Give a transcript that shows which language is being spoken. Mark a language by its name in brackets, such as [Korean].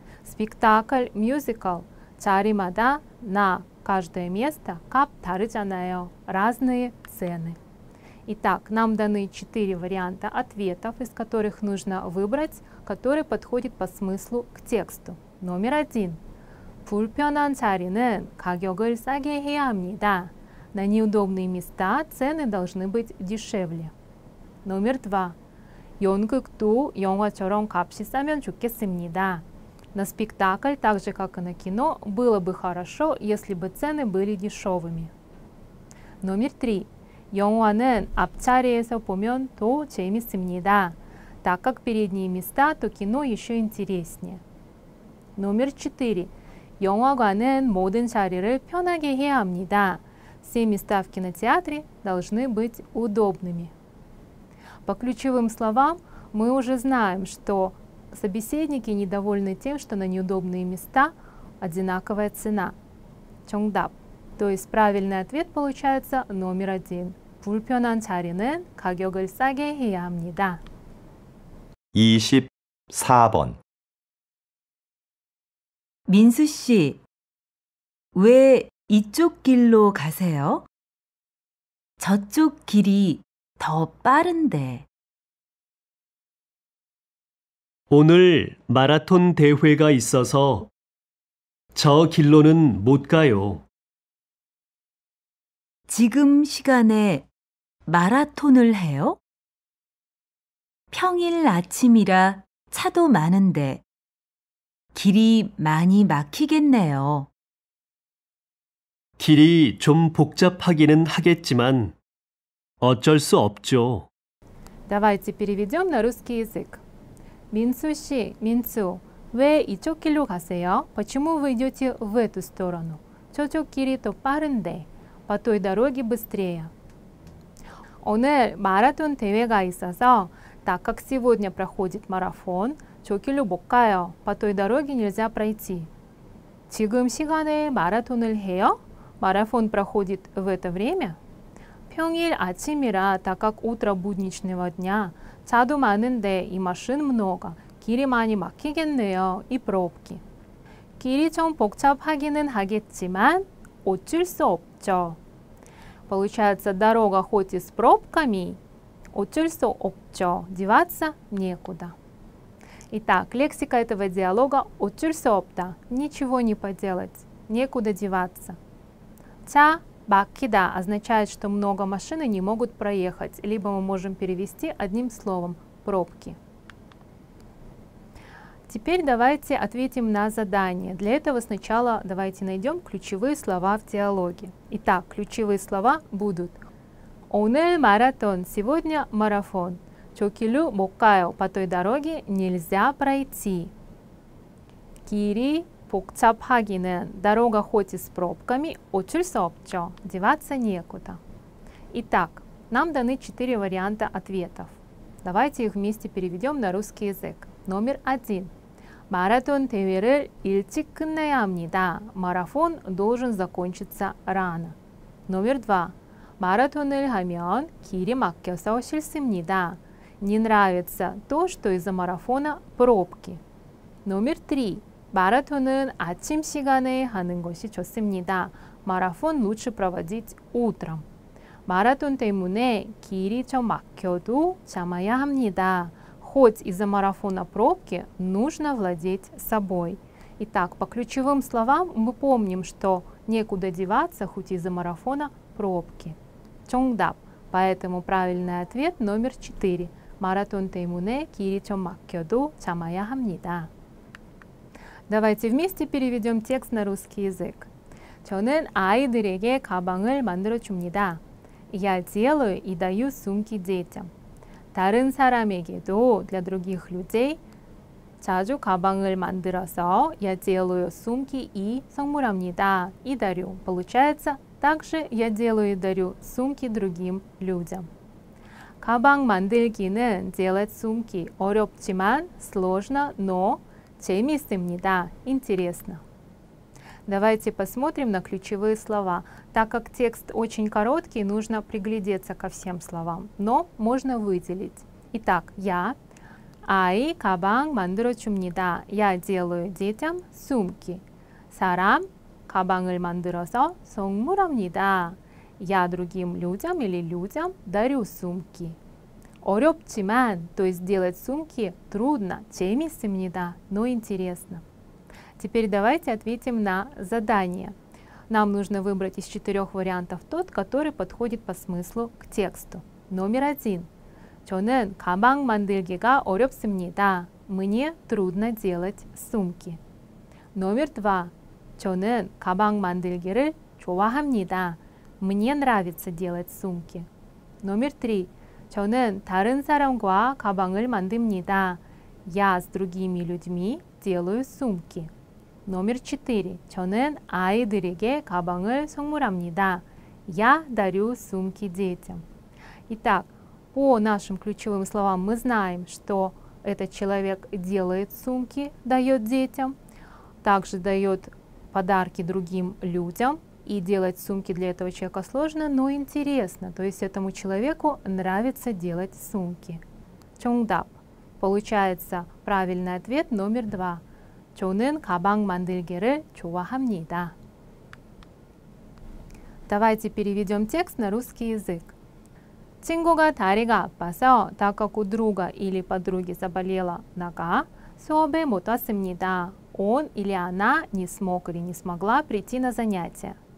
[Russian] Спектакль, мюзикл, [Korean] 자리마다, [Russian] на каждое место, [Korean] 값 다르잖아요, [Russian] разные цены. Итак, нам даны 4 варианта ответов, из которых нужно выбрать, который подходит по смыслу к тексту. Номер 1. [Korean] 불편한 자리는 가격을 싸게 해야 합니다. [Russian] На неудобные места цены должны быть дешевле. Номер 2. [Korean] 연극도 영화처럼 값이 싸면 좋겠습니다. [Russian] На спектакль, так же как и на кино, было бы хорошо, если бы цены были дешевыми. Номер 3. [Korean] 영화는 앞자리에서 보면 더 재밌습니다. [Russian] Так как передние места, то кино еще интереснее. Номер 4. 영화관은 모든 자리를 편하게 해야 합니다. Все места в кинотеатре должны быть удобными. По ключевым словам мы уже знаем, что собеседники недовольны тем, что на неудобные места одинаковая цена. [Korean] 정답. [Russian] То есть правильный ответ получается номер 1. [Korean] 불편한 자리는 가격을 싸게 해야 합니다. 24번. 민수 씨, 왜 이쪽 길로 가세요? 저쪽 길이 더 빠른데. 오늘 마라톤 대회가 있어서 저 길로는 못 가요. 지금 시간에 마라톤을 해요? 평일 아침이라 차도 많은데 길이 많이 막히겠네요. 길이 좀 복잡하기는 하겠지만 어쩔 수 없죠. [Russian] Давайте переведем на русский язык. [Korean] 민수 씨, 민수, 왜 이쪽 길로 가세요? [Russian] Почему вы идете в эту сторону? [Korean] 저쪽 길이 더 빠른데. [Russian] По той дороге быстрее. [Korean] 오늘 마라톤 대회가 있어서, [Russian] так как сегодня проходит марафон, [Korean] 저 길로 못 가요. [Russian] По той дороге нельзя пройти. [Korean] 지금 시간에 마라톤을 해요? [Russian] Марафон проходит в это время? [Korean] 평일 아침이라, [Russian] так как утро будничного дня, [Korean] 차도 많은데 [Russian] и машин много, [Korean] 길이 많이 막히겠네요, [Russian] и пробки. [Korean] 길이 좀 복잡하기는 하겠지만, 어쩔 수 없죠. [Russian] Получается, дорога хоть и с пробками, [Korean] 어쩔 수 없죠. [Russian] Деваться некуда. Итак, лексика этого диалога [Korean] 어쩔 수 없다. [Russian] Ничего не поделать, некуда деваться. [Korean] 차 막히다 [Russian] означает, что много машин не могут проехать, либо мы можем перевести одним словом – пробки. Теперь давайте ответим на задание. Для этого сначала давайте найдем ключевые слова в диалоге. Итак, ключевые слова будут [Korean] 오늘 마라톤 [Russian] – сегодня марафон. [Korean] 저 길로 못 가요 [Russian] – по той дороге нельзя пройти. [Korean] 길이 복잡하기는 [Russian] дорога хоть и с пробками, [Korean] 어쩔 수 없죠. [Russian] Деваться некуда. Итак, нам даны 4 варианта ответов. Давайте их вместе переведем на русский язык. Номер 1. [Korean] Марафон 대회를 일찍 끝내야 합니다. [Russian] Марафон должен закончиться рано. Номер 2. [Korean] Марафон을 하면 길이 막혀서 싫습니다. [Russian] Не нравится то, что из-за марафона пробки. Номер 3. [Korean] Марафон은 아침 시간에 하는 것이 좋습니다. [Russian] Марафон лучше проводить утром. [Korean] Марафон 때문에 길이 좀 막혀도 참아야 합니다. [Russian] Хоть из-за марафона пробки нужно владеть собой. Итак, по ключевым словам мы помним, что некуда деваться, хоть из-за марафона пробки. Чонгдап. Поэтому правильный ответ номер 4. [Korean] Марафон 때문에 길이 좀 막혀도 참아야 합니다. [Russian] Давайте вместе переведем текст на русский язык. [Korean] 저는 아이들에게 가방을 만들어 줍니다. [Russian] Я делаю и даю сумки детям. [Korean] 다른 사람에게도 [Russian] для других людей [Korean] 자주 가방을 만들어서 [Russian] я делаю сумки и [Korean] 선물합니다. [Russian] И дарю. Получается, также я делаю и дарю сумки другим людям. [Korean] 가방 만들기는 [Russian] делать сумки [Korean] 어렵지만 [Russian] сложно, но [Korean] 재미있습니다. [Russian] Интересно. Давайте посмотрим на ключевые слова. Так как текст очень короткий, нужно приглядеться ко всем словам, но можно выделить. Итак, я. [Korean] 아이 가방 만들어 줍니다. [Russian] Я делаю детям сумки. [Korean] 사람 가방을 만들어서 선물합니다. [Russian] Я другим людям или людям дарю сумки. [Korean] 어렵지만, [Russian] то есть делать сумки трудно, [Korean] 재미있습니다, [Russian] но интересно. Теперь давайте ответим на задание. Нам нужно выбрать из 4 вариантов тот, который подходит по смыслу к тексту. Номер 1. [Korean] 저는 가방 만들기가 어렵습니다. [Russian] Мне трудно делать сумки. Номер 2. [Korean] 저는 가방 만들기를 좋아합니다. [Russian] Мне нравится делать сумки. Номер 3. [Korean] 저는 다른 사람과 가방을 만듭니다. [Russian] Я с другими людьми делаю сумки. Номер 4. [Korean] 저는 아이들에게 가방을 선물합니다. [Russian] Я дарю сумки детям. Итак, по нашим ключевым словам мы знаем, что этот человек делает сумки, дает детям, также дает подарки другим людям. И делать сумки для этого человека сложно, но интересно. То есть этому человеку нравится делать сумки. Чонгдап. Получается правильный ответ номер 2. [Korean] 저는 가방 만들기를 좋아합니다. [Russian] Давайте переведем текст на русский язык. [Korean] 친구가 다리가 아파서, [Russian] так как у друга или подруги заболела нога, [Korean] 수업에 못 왔습니다. [Russian] Он или она не смог или не смогла прийти на занятия.